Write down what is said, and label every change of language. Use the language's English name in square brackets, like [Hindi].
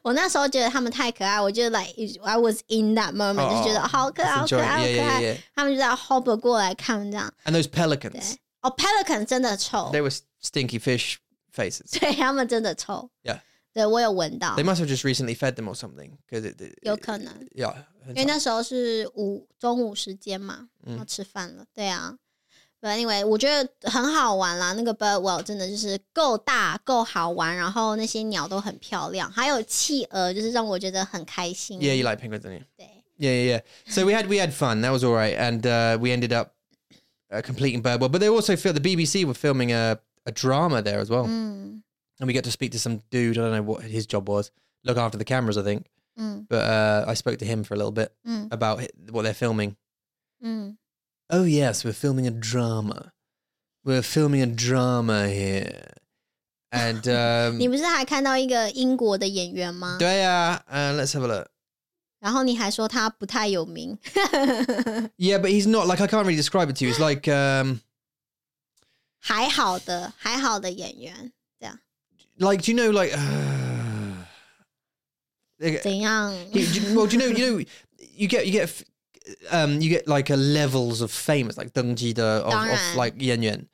[Chinese] 我那时候觉得他们太可爱，我就 [English] like I was in that moment， [Chinese] 就觉得好可爱好可爱好可爱，他们就在 hop 过来看这样。 [English] And those pelicans。 [Chinese] Oh, pelican 真的臭。 [English] They were stinky fish faces. [Chinese] 对，他们真的臭。 [English] Yeah. [Chinese] 对，我有闻到。 [English] They must have just recently fed them or something. 'Cause it, [Chinese] 有可能。 [English] Yeah. [Chinese] 因为那时候是中午时间嘛，要吃饭了。对啊。 [English] But anyway, [Chinese] 我觉得很好玩啦，那个 bird world 真的就是够大，够好玩，然后那些鸟都很漂亮，还有企鹅，就是让我觉得很开心。 [English] Yeah, you like penguins, don't you? [Chinese] 对。 [English] Yeah. So we had fun, that was all right. And we ended up completing bird world, but they also feel the BBC were filming a drama there as well. And we get to speak to some dude, I don't know what his job was, look after the cameras, I think. But I spoke to him for a little bit about what they're filming. Oh yes, we're filming a drama here. And [Chinese] 你不是还看到一个英国的演员吗？对啊， [English] let's have a look. [Chinese] 然后你还说他不太有名。 [English] Yeah, but he's not, like, I can't really describe it to you. It's like, [Chinese] 还好的演员，这样。 [English] Like, do you know, like, [Chinese] 怎样？ [English] Well, do you know, you get like a levels of famous, like, [Chinese] 登记的 [English] of like, [Chinese] 演员。